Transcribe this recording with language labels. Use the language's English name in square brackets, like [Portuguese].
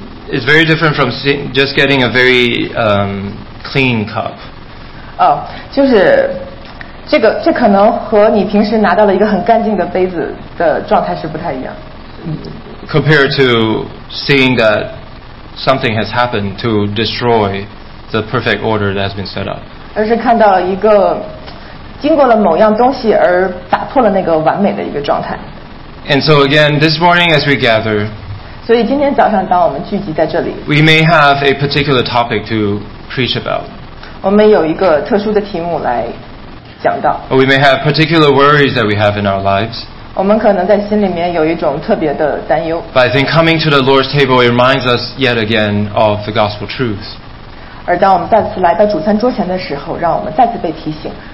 [English] It's very different from just getting a very clean cup. [Chinese] 就是。这可能和你平时拿到了一个很干净的杯子的状态是不太一样。 [English] Compared to seeing that something has happened to destroy the perfect order that has been set up. [Chinese] 而是看到一个经过了某样东西而打破了那个完美的一个状态。 [English] And so again, this morning as we gather, [Chinese] 所以今天早上当我们聚集在这里， [English] we may have a particular topic to preach about. [Chinese] 我们有一个特殊的题目来 [English] Or we may have particular worries that we have in our lives. [Chinese] 我们可能在心里面有一种特别的担忧。 [English] But I think coming to the Lord's table reminds us yet again of the gospel truth. [Chinese] 而当我们再次来到主餐桌前的时候，让我们再次被提醒。